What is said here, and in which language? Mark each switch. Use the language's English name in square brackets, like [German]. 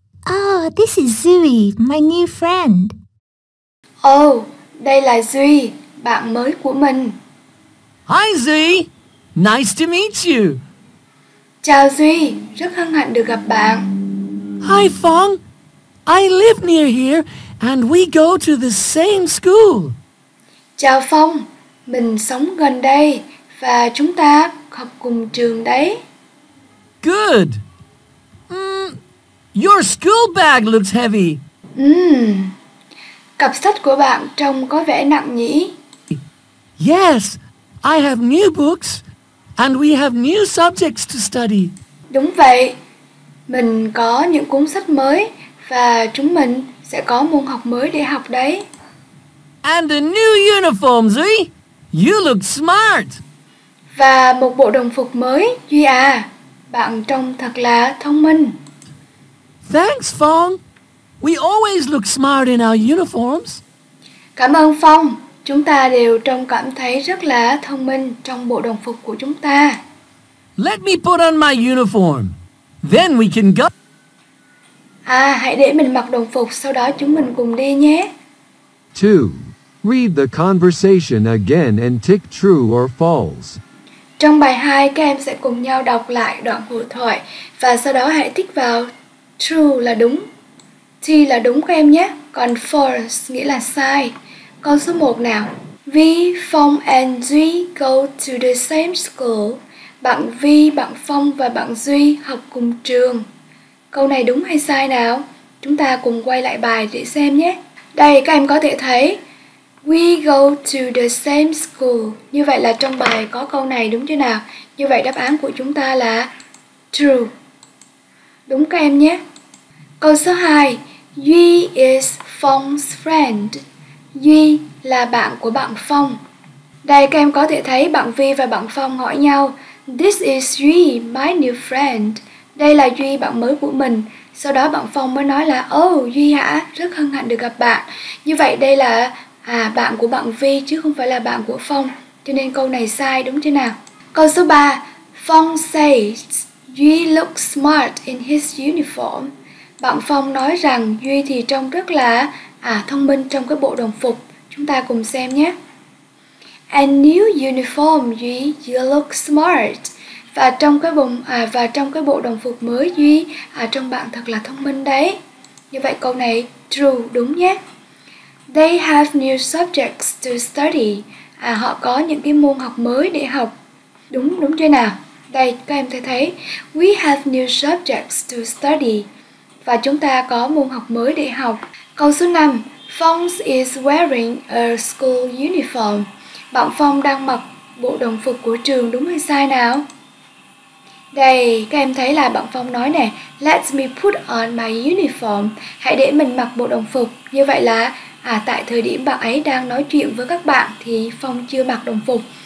[English] Oh, this is Zui, my new friend. [Vietnamese] Oh, đây là Duy, bạn mới của mình. [English] Hi Duy, nice to meet you. [Vietnamese] Chào Duy, rất hân hạnh được gặp bạn. [English] Hi Phong, I live near here and we go to the same school. [Vietnamese] Chào Phong, mình sống gần đây và chúng ta học cùng trường đấy. [English] Good. Your school bag looks heavy. [Vietnamese] Cặp sách của bạn trông có vẻ nặng nhỉ? [English] Yes, I have new books and we have new subjects to study. [Vietnamese] Đúng vậy. Mình có những cuốn sách mới và chúng mình sẽ có môn học mới để học đấy. [English] And a new uniform, Duy. You look smart. [Vietnamese] Và một bộ đồng phục mới, Duy à. Bạn trông thật là thông minh. [English] Thanks, Phong. We always look smart in our uniforms. [Vietnamese] Cảm ơn Phong. Chúng ta đều trông cảm thấy rất là thông minh trong bộ đồng phục của chúng ta. [English] Let me put on my uniform. Then we can go. [Vietnamese] À, hãy để mình mặc đồng phục, sau đó chúng mình cùng đi nhé. [English] 2. Read the conversation again and tick true or false. [Vietnamese] Trong bài 2, các em sẽ cùng nhau đọc lại đoạn hội thoại và sau đó hãy tick vào true là đúng. T là đúng các em nhé, còn false nghĩa là sai. Câu số 1 nào. [English] Vi, Phong and Duy go to the same school. [Vietnamese] Bạn Vi, bạn Phong và bạn Duy học cùng trường. Câu này đúng hay sai nào? Chúng ta cùng quay lại bài để xem nhé. Đây các em có thể thấy. [English] We go to the same school. [Vietnamese] Như vậy là trong bài có câu này đúng chưa nào? Như vậy đáp án của chúng ta là true. Đúng các em nhé. Câu số 2. [English] Yui is Phong's friend. [Vietnamese] Yui là bạn của bạn Phong. Đây các em có thể thấy bạn Vi và bạn Phong hỏi nhau. [English] This is Yui, my new friend. [Vietnamese] Đây là Yui, bạn mới của mình. Sau đó bạn Phong mới nói là oh, Yui hả? Rất hân hạnh được gặp bạn. Như vậy đây là bạn của bạn Vi chứ không phải là bạn của Phong. Cho nên câu này sai đúng chưa nào? Câu số 3. [English] Phong says Yui looks smart in his uniform. [Vietnamese] Bạn Phong nói rằng Duy thì trông rất là thông minh trong cái bộ đồng phục. Chúng ta cùng xem nhé. [English] a new uniform, Duy, you look smart. [Vietnamese] Và trong cái bộ đồng phục mới, Duy, trông bạn thật là thông minh đấy. Như vậy câu này true đúng nhé. [English] They have new subjects to study. [Vietnamese] Họ có những cái môn học mới để học. Đúng chưa nào? Đây, các em thấy, [English] we have new subjects to study. [Vietnamese] Và chúng ta có môn học mới để học. Câu số 5, [English] Fongs is wearing a school uniform. [Vietnamese] Bạn Phong đang mặc bộ đồng phục của trường, đúng hay sai nào? Đây, các em thấy là bạn Phong nói nè, [English] let me put on my uniform. [Vietnamese] Hãy để mình mặc bộ đồng phục. Như vậy là, tại thời điểm bạn ấy đang nói chuyện với các bạn thì Phong chưa mặc đồng phục.